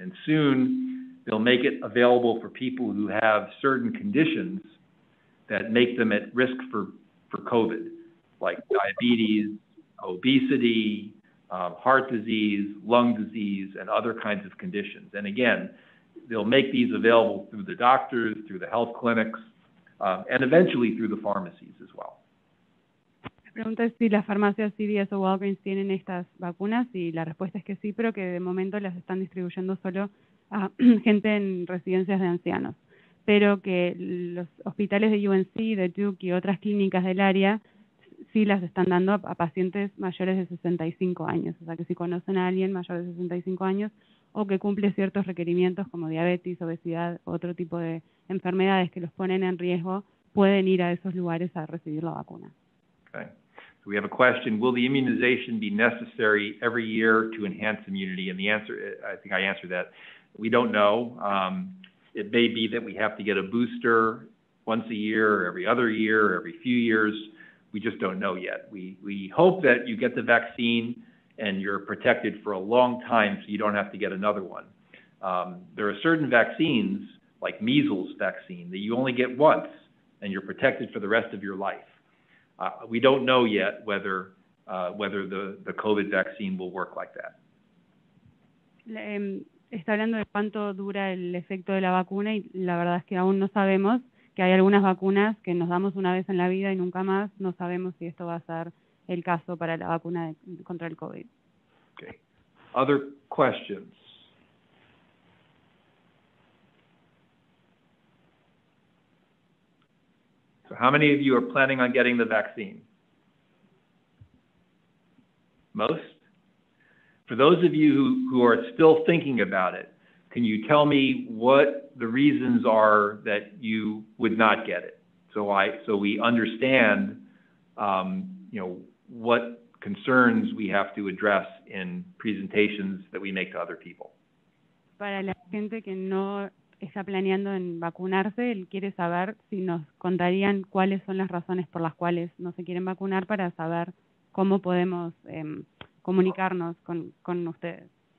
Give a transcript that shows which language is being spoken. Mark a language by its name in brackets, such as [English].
[English] And soon they'll make it available for people who have certain conditions that make them at risk for COVID, like diabetes, obesity, heart disease, lung disease, and other kinds of conditions. And again, they'll make these available through the doctors, through the health clinics, and eventually through the pharmacies as well. [Spanish] Pregunta si las farmacias CVS o Walgreens tienen estas vacunas y la respuesta es que sí, pero que de momento las están distribuyendo solo a gente en residencias de ancianos. Pero que los hospitales de UNC, de Duke y otras clínicas del área sí las están dando a pacientes mayores de 65 años. O sea que si conocen a alguien mayor de 65 años o que cumple ciertos requerimientos como diabetes, obesidad, otro tipo de enfermedades que los ponen en riesgo, pueden ir a esos lugares a recibir la vacuna. [English] Okay. So we have a question. Will the immunization be necessary every year to enhance immunity? And the answer, I think I answered that. We don't know. It may be that we have to get a booster once a year, or every other year, or every few years. We just don't know yet. We hope that you get the vaccine and you're protected for a long time so you don't have to get another one. There are certain vaccines, like measles vaccine, that you only get once and you're protected for the rest of your life. We don't know yet whether whether the COVID vaccine will work like that. [Spanish] Está hablando de cuánto dura el efecto de la vacuna y la verdad es que aún no sabemos. Que hay algunas vacunas que nos damos una vez en la vida y nunca más. No sabemos si esto va a ser el caso para la vacuna de, contra el COVID. [English] Okay. Other questions? So how many of you are planning on getting the vaccine? Most? For those of you who are still thinking about it, can you tell me what the reasons are that you would not get it? So we understand, what concerns we have to address in presentations that we make to other people. [Spanish] Para la gente que no está planeando en vacunarse, él quiere saber si nos contarían cuáles son las razones por las cuales no se quieren vacunar para saber cómo podemos comunicarnos con ustedes.